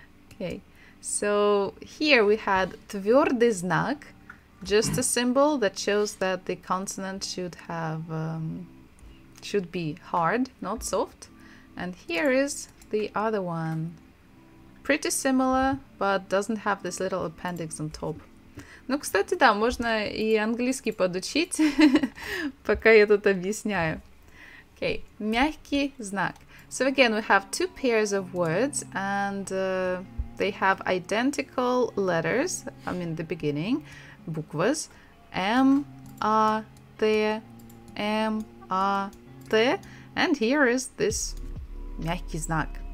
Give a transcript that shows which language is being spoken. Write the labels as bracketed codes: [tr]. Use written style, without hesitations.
[en] Okay, so here we had твёрдый знак, just a symbol that shows that the consonant should have should be hard, not soft. And here is the other one. Pretty similar, but doesn't have this little appendix on top. [ru] Ну, кстати, да, можно и английский подучить, пока я тут объясняю. Okay, мягкий знак. [en] So again, we have two pairs of words, and they have identical letters, I mean the beginning, буквы. M, A, T, M, A, T, and here is this мягкий знак.